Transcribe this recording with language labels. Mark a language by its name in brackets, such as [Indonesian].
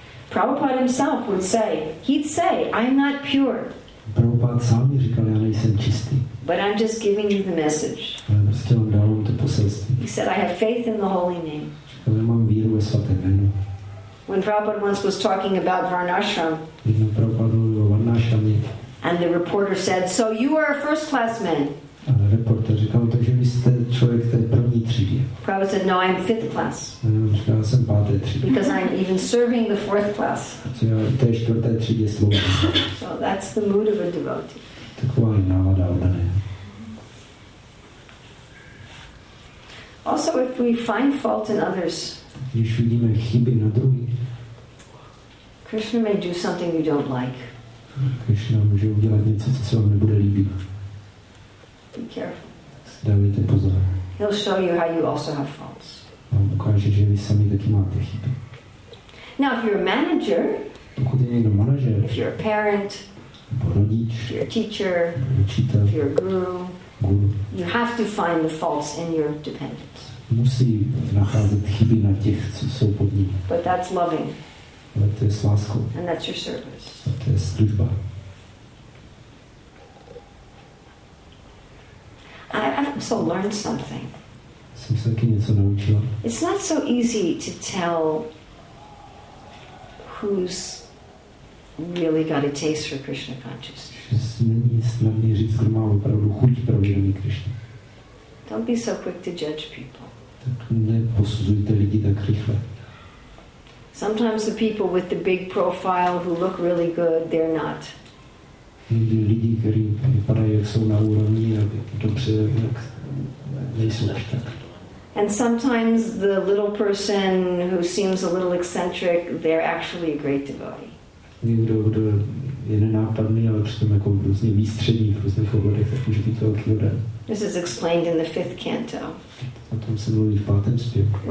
[English] Prabhupada himself would say, he'd say, I'm not pure. [Czech] Prabhupada sám mi říkal, já nejsem čistý. [English] But I'm just giving you the message. [Czech] Ale prostě vám dávám to poselství. [English] He said, I have faith in the holy name. [Czech] Ale mám víru ve svaté jméno. [English] When Prabhupada once was talking about Varnashram, [Czech] jednou Prabhupada mluvil o Varnashramě. [English] And the reporter said, so you are a first class man. [Czech] A reporter říkal, takže vy jste člověk té první třídy. [English] Prabhupada said, no, I'm fifth class. [Czech] A on říkal, jsem páté třídy. [English] Because I'm even serving the fourth class. [Czech] Co já té čtvrté třídě sloužím. [English] So that's the mood of a devotee. [Czech] Taková je návada oddané. [English] Also, if we find fault in others, [Czech] když vidíme chyby na druhých, [English] Krishna may do something you don't like. [Czech] Krishna může udělat něco, co se vám nebude líbit. [English] Be careful. [Czech] Dávejte pozor. [English] He'll show you how you also have faults. [Czech] On ukáže, že vy sami taky máte chyby. [English] Now, if you're a manager, [Czech] pokud je někdo manažer, [English] if you're a parent, [Czech] rodič, [English] if you're a teacher, [Czech] učitel, [English] if you're a guru, [Czech] guru, [English] you have to find the faults in your dependents. [Czech] Musí nacházet chyby na těch, co jsou pod ním. [English] But that's loving. [Czech] Ale to je s láskou. [English] And that's your service. [Czech] A to je služba. [English] I've also learned something. [Czech] Jsem se taky něco naučila. [English] It's not so easy to tell who's really got a taste for Krishna consciousness. [Czech] Není snadné říct, kdo má opravdu chuť pro vědomí Krishna. [English] Don't be so quick to judge people. [Czech] Tak neposuzujte lidi tak rychle. [English] Sometimes the people with the big profile who look really good, they're not. [Czech] Někdy lidi, kteří vypadají, jak jsou na úrovni, jak dobře, jak nejsou až tak. [English] And sometimes the little person who seems a little eccentric, they're actually a great devotee. [Czech] Někdo, kdo je nenápadný, ale přitom jako různě výstřední v různých oborech, tak může být velký odem. [English] This is explained in the fifth canto. [Czech] O tom se mluví v pátém zpěvku.